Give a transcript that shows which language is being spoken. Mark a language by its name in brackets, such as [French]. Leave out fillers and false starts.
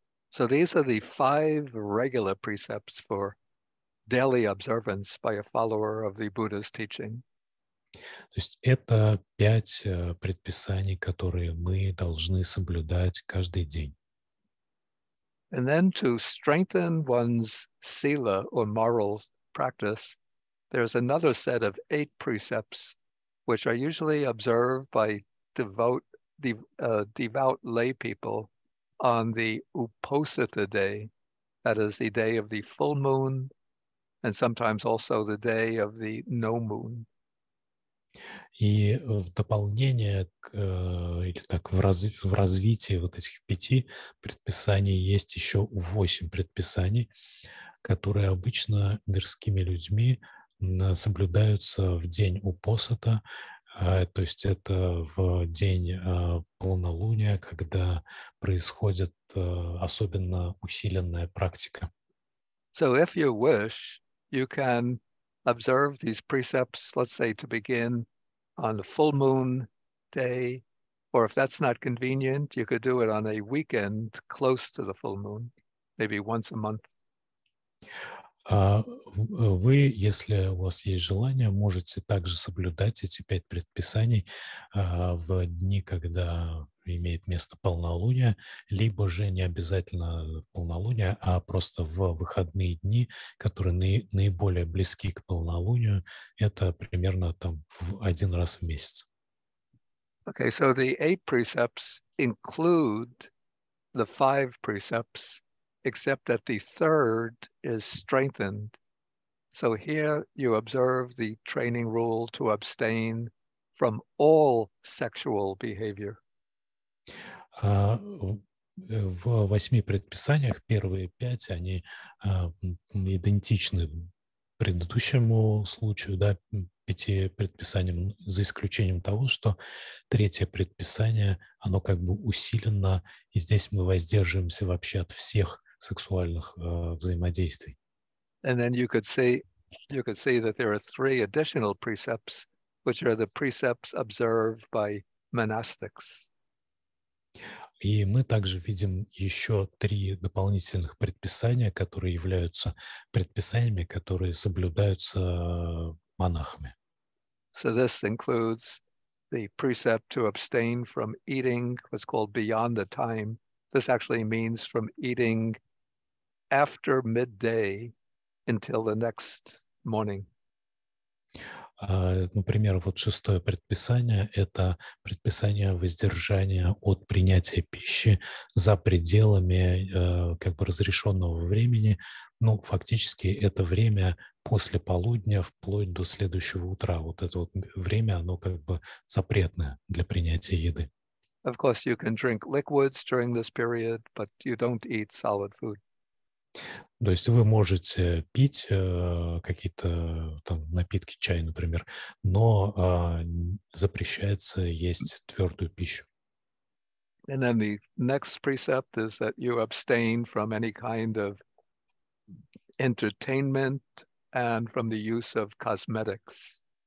[English] So these are the five regular precepts for daily observance by a follower of the Buddha's teaching. [Russian] То есть это пять предписаний, которые мы должны соблюдать каждый день. [English] And then to strengthen one's sila or moral practice, there's another set of eight precepts, which are usually observed by devout lay people on the Uposatha day, that is the day of the full moon, and sometimes also the day of the no moon. [Russian] И в дополнение к, или так, в развитии вот этих пяти предписаний есть еще восемь предписаний, которые обычно мирскими людьми соблюдаются в день Упосата, то есть это в день полнолуния, когда происходит особенно усиленная практика. [English] So if you wish, you can observe these precepts, let's say, to begin on the full moon day, or if that's not convenient, you could do it on a weekend close to the full moon, maybe once a month. [Russian] Вы, если у вас есть желание, можете также соблюдать эти пять предписаний в дни, когда имеет место полнолуние, либо же не обязательно полнолуние, а просто в выходные дни, которые наиболее близки к полнолунию, это примерно там один раз в месяц. [English] Okay, so the eight precepts include the five precepts, except that the third is strengthened. So here you observe the training rule to abstain from all sexual behavior. [Russian] В восьми предписаниях первые пять, они идентичны предыдущему случаю, да, пяти предписаниям, за исключением того, что третье предписание, оно как бы усилено, и здесь мы воздерживаемся вообще от всех сексуальных взаимодействий. [English] And then you could see that there are three additional precepts, which are the precepts observed by monastics. [Russian] И мы также видим еще три дополнительных предписания, которые являются предписаниями, которые соблюдаются монахами. [English] So this includes the precept to abstain from eating, what's called beyond the time. This actually means from eating after midday until the next morning. [Russian] Например, вот шестое предписание – это предписание воздержания от принятия пищи за пределами как бы разрешенного времени. Ну, фактически, это время после полудня вплоть до следующего утра. Вот это вот время, оно как бы запретное для принятия еды. [English] Of course, you can drink liquids during this period, but you don't eat solid food. [Russian] То есть вы можете пить какие-то там напитки, чай, например, но запрещается есть твердую пищу. [English] And then the next precept is that you abstain from any kind of entertainment and from the use of cosmetics.